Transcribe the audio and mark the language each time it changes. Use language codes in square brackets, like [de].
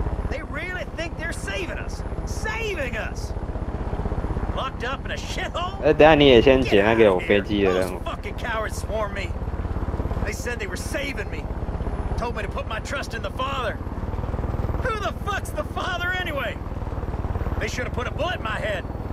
[en] They really think they're saving us, saving us. Locked up in a shithole. [zh] 哎，等一下你也先解那个有飞机的任务。 [en] Fucking cowards swarmed me. They said they were saving me. Told me to put my trust in the Father. Who the fuck's the Father anyway? They should have put a bullet in my head.